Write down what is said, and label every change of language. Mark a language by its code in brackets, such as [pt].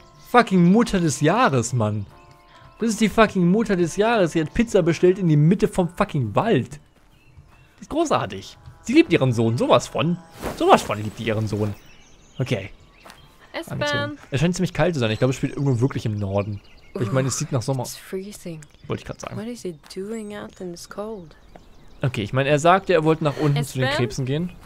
[de] Fucking Mutter des Jahres, Mann. Das ist die fucking Mutter des Jahres. Sie hat Pizza bestellt in die Mitte vom fucking Wald. Die ist großartig. Sie liebt ihren Sohn. Sowas von. Sowas von liebt sie ihren Sohn. Okay. Es scheint ziemlich kalt zu sein. Ich glaube, es spielt irgendwo wirklich im Norden. Ich meine, es sieht nach Sommer aus. Wollte ich gerade sagen. [en] What is he doing out in this cold? [de] Okay, ich meine, er sagte, er wollte nach unten zu den Krebsen gehen.